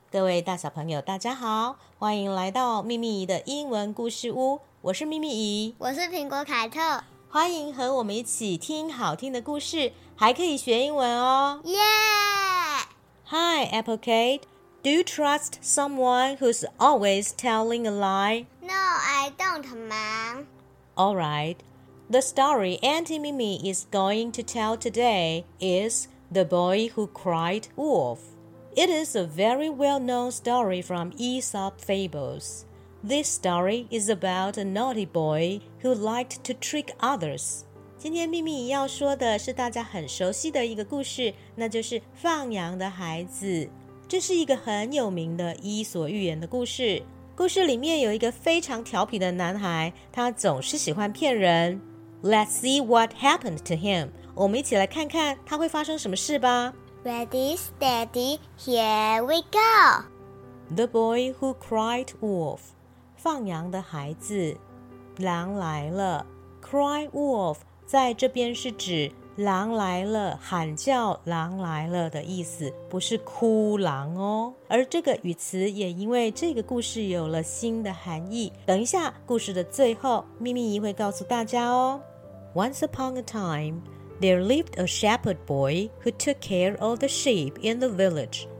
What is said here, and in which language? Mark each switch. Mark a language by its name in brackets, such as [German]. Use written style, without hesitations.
[Chinese] 各位大小朋友大家好，欢迎来到咪咪姨的英文故事屋。我是咪咪姨。我是苹果凯特。欢迎和我们一起听好听的故事，还可以学英文哦。 [English] Yeah! Hi, Apple Cat. Do you trust someone who's always telling a lie? No, I don't, Mom. Alright. The story Auntie Mimi is going to tell today is The Boy Who Cried Wolf. It is a very well-known story from Aesop Fables. This story is about a naughty boy who liked to trick others. [Chinese] 今天咪咪要说的是大家很熟悉的一个故事，那就是放羊的孩子。这是一个很有名的伊索寓言的故事。故事里面有一个非常调皮的男孩，他总是喜欢骗人。 [English] Let's see what happened to him. [Chinese] 我们一起来看看他会发生什么事吧。 [English] Ready, steady, here we go. The boy who cried wolf. [Chinese] 放羊的孩子，狼来了。 [English] Cry wolf [Chinese] 在这边是指狼来了，喊叫狼来了的意思，不是哭狼哦。而这个语词也因为这个故事有了新的含义。等一下，故事的最后，咪咪姨会告诉大家哦。 [English] Once upon a time, there lived a shepherd boy who took care of the sheep in the village.